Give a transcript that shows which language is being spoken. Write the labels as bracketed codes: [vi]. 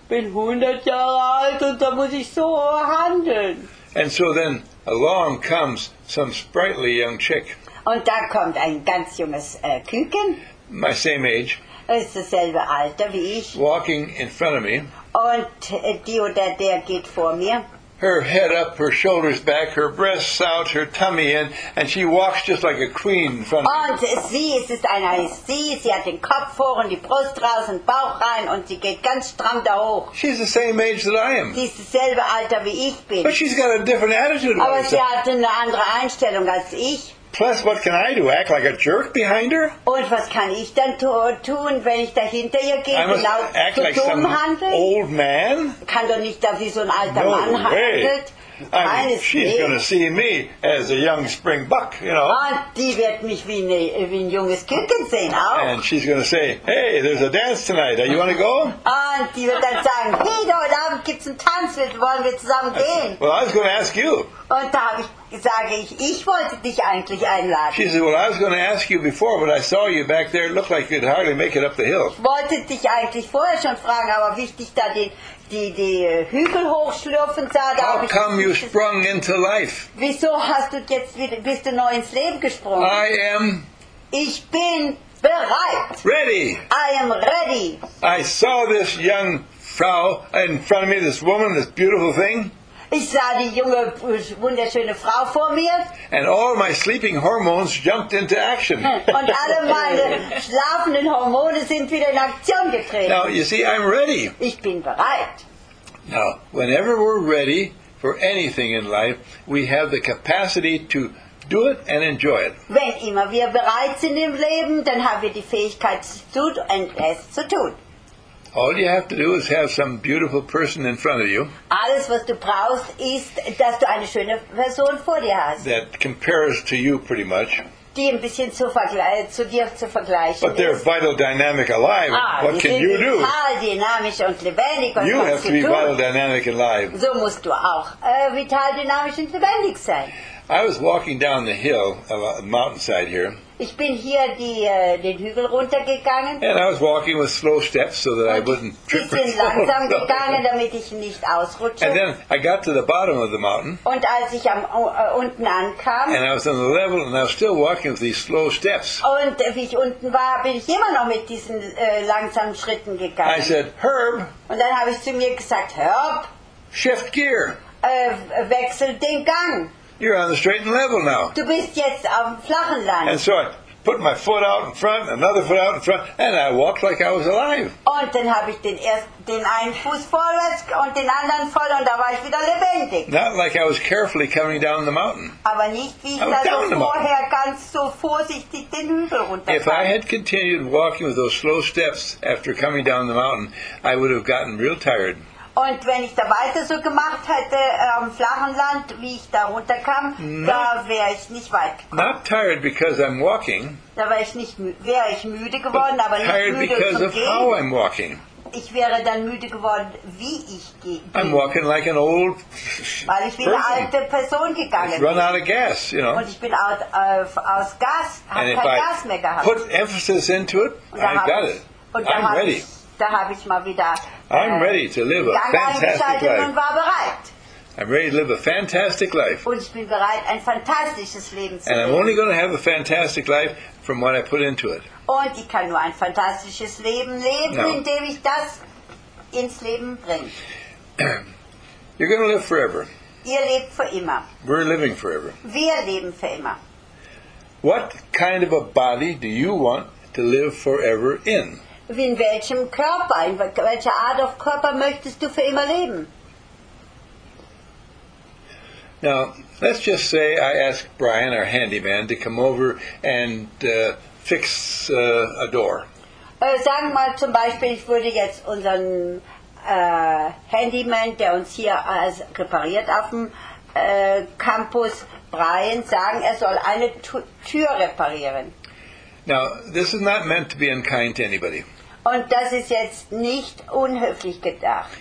[de] Bin 100 Jahre alt und da muss ich so handeln. [en] And so then along comes some sprightly young chick. [de] Und da kommt ein ganz junges Küken. [en] My same age. [de] Ist dasselbe Alter wie ich. [en] Walking in front of me. [de] Und die oder der geht vor mir. [en] Her head up, her shoulders back, her breasts out, her tummy in, and she walks just like a queen in front of me. [de] Und sie, es ist eine sie, sie hat den Kopf vor und die Brust raus und Bauch rein und sie geht ganz stramm da hoch. [en] She's the same age that I am. [de] Sie ist dasselbe Alter wie ich bin. [en] But she's got a different attitude about herself. [de] Aber sie hat eine andere Einstellung als ich. [en] Plus, what can I do? Act like a jerk behind her? [de] Und was kann ich dann tun, wenn ich dahinter ihr gehe? [en] I must [de] genau [en] act like some [de] handeln? [en] Old man? [de] Kann doch nicht, dass ich so ein alter [en] no [de] Mann [en] way. [de] Handelt. [en] I mean, she's going to see me as a young spring buck, you know. [de] Und die wird mich wie ein junges Küken sehen auch. [en] And she's going to say, hey, there's a dance tonight. Do you want to go? [de] Und die wird dann sagen, hey, da heute Abend gibt's einen Tanz. Wollen wir zusammen gehen? [en] Well, I was going to ask you. [de] Und da habe ich sage ich, ich wollte dich eigentlich einladen. [en] She said, well, I was going to ask you before, but I saw you back there. It looked like you'd hardly make it up the hill. [de] Ich wollte dich eigentlich vorher schon fragen, aber wie ich dich da die Hügel hochschlürfen sah, da [en] how come you sprung into life? [de] Wieso hast du jetzt bist du neu ins Leben gesprungen? [en] I am. [de] Ich bin bereit. [en] Ready. I am ready. I saw this young Frau in front of me, this woman, this beautiful thing. [de] Ich sah die junge, wunderschöne Frau vor mir. [en] And all my sleeping hormones jumped into action. [de] Und alle meine schlafenden Hormone sind wieder in Aktion getreten. [en] Now, you see, I'm ready. [de] Ich bin bereit. [en] Now, whenever we're ready for anything in life, we have the capacity to do it and enjoy it. [de] Wenn immer wir bereit sind im Leben, dann haben wir die Fähigkeit, es zu tun. [en] All you have to do is have some beautiful person in front of you. [de] Alles, was du brauchst, ist, dass du eine schöne Person vor dir hast. [en] That compares to you pretty much. [de] Die ein bisschen zu dir zu vergleichen. [en] But they're [de] ist. [en] Vital, dynamic, alive. Ah, what can you do? [de] Vital, dynamisch und lebendig. Was [en] you have to be [de] tun? [en] Vital, dynamic, and alive. [de] So musst du auch vital, dynamisch und lebendig sein. [en] I was walking down the hill, a mountainside here. [de] Ich bin hier den Hügel runtergegangen. [en] And I was walking with slow steps so that [de] und [en] I wouldn't trip. [de] Ich bin langsam gegangen, damit ich nicht ausrutsche. [en] And then I got to the bottom of the mountain. [de] Und als ich unten ankam. [en] And I was on the level and I was still walking with these slow steps. [de] Und wie ich unten war, bin ich immer noch mit diesen langsamen Schritten gegangen. [en] I said, Herb. [de] Und dann habe ich zu mir gesagt, Herb. [en] Shift gear. [de] Wechsel den Gang. [en] You're on the straight and level now. [de] Du bist jetzt auf dem flachen Land. [en] And so I put my foot out in front, another foot out in front, and I walked like I was alive. [de] Und dann habe ich den einen Fuß vorwärts und den anderen voll und da war ich wieder lebendig. [en] Not like I was carefully coming down the mountain. [de] Aber nicht wie ich da so vorher ganz so vorsichtig den Hügel runterkam. [en] If I had continued walking with those slow steps after coming down the mountain, I would have gotten real tired. [de] Und wenn ich da weiter so gemacht hätte am flachen Land, wie ich da runterkam, da wäre ich nicht weit gekommen. [en] Not tired because I'm walking. [de] Da wäre ich nicht müde geworden, [en] but [de] aber nicht [en] tired [de] müde [en] because of [de] gehen. [en] How I'm walking. [de] Ich wäre dann müde geworden, wie ich gehe. [en] I'm walking like an old [de] weil ich wie [en] person. [de] Eine alte Person gegangen [en] run out of gas, you know. [de] Und ich bin aus Gas, habe kein Gas mehr gehabt. [en] Put emphasis into it, I got it. [de] Und [en] I'm ready. [de] da habe ich mal wieder [en] I'm ready to live a fantastic life. [de] Und war bereit. [en] I'm ready to live a fantastic life. [de] Und ich bin bereit, ein fantastisches Leben zu [en] And [de] leben. [en] I'm only going to have a fantastic life from what I put into it. [de] Und ich kann nur ein fantastisches Leben leben, no. indem ich das ins Leben bringe. [en] You're going to live forever. [de] Ihr lebt für immer. [en] We're living forever. [de] Wir leben für immer. [en] What kind of a body do you want to live forever in? [de] In welchem Körper, in welcher Art of Körper möchtest du für immer leben? [en] Now, let's just say I ask Brian, our handyman, to come over and fix a door. [de] Sag mal zum Beispiel, ich würde jetzt unseren Handyman, der uns hier als repariert auf dem Campus, Brian, sagen, er soll eine Tür reparieren. [en] Now, this is not meant to be unkind to anybody. [de] Und das ist jetzt nicht unhöflich gedacht.